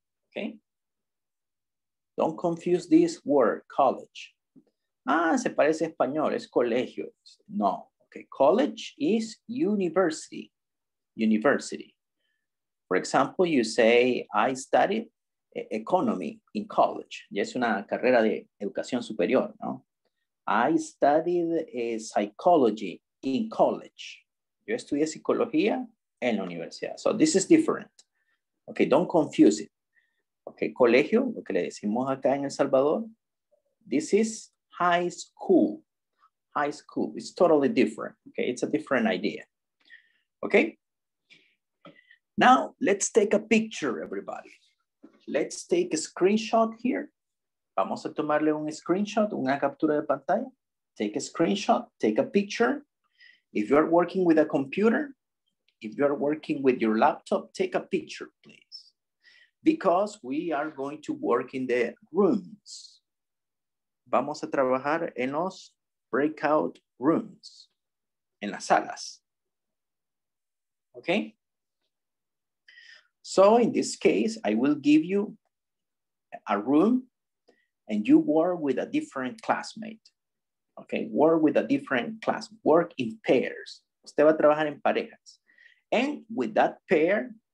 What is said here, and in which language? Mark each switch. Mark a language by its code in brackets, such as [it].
[en] Okay? Don't confuse this word, college. [es] Ah, se parece español, es colegio. [en] No, okay, college is university, university. For example, you say, I studied economy in college. [es] Ya es una carrera de educación superior, ¿no? [en] I studied psychology in college. [es] Yo estudié psicología en la universidad. [en] So this is different. Okay, don't confuse it. Okay, [es] colegio, lo que le decimos acá en El Salvador, [en] this is high school, it's totally different, okay? It's a different idea, okay? Now, let's take a picture, everybody. Let's take a screenshot here. [es] Vamos a tomarle un screenshot, una captura de pantalla. [en] Take a screenshot, take a picture. If you're working with a computer, if you're working with your laptop, take a picture, please. Because we are going to work in the rooms. [es] Vamos a trabajar en los breakout rooms, en las salas. [en] Okay? So in this case, I will give you a room and you work with a different classmate. Okay? Work with a different class. Work in pairs. [es] Usted va a trabajar en parejas. [en] And with that pair,